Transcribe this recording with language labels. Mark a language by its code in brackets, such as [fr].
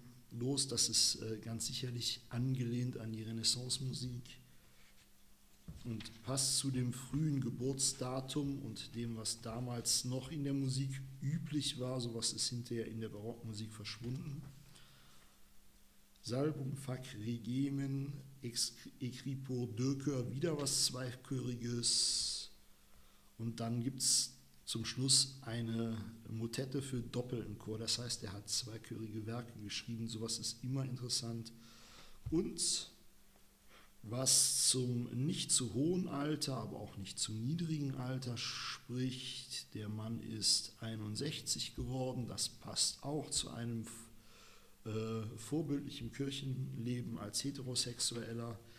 [de] Los, das ist ganz sicherlich angelehnt an die Renaissance-Musik und passt zu dem frühen Geburtsdatum und dem, was damals noch in der Musik üblich war. Sowas ist hinterher in der Barockmusik verschwunden. [fr] Salbum fac regemen, écrit pour deux chœurs, [de] wieder was Zweichöriges. Und dann gibt es zum Schluss eine Motette für doppelten Chor, das heißt, er hat zweichörige Werke geschrieben, sowas ist immer interessant. Und was zum nicht zu hohen Alter, aber auch nicht zu niedrigen Alter spricht, der Mann ist 61 geworden, das passt auch zu einem vorbildlichen Kirchenleben als Heterosexueller.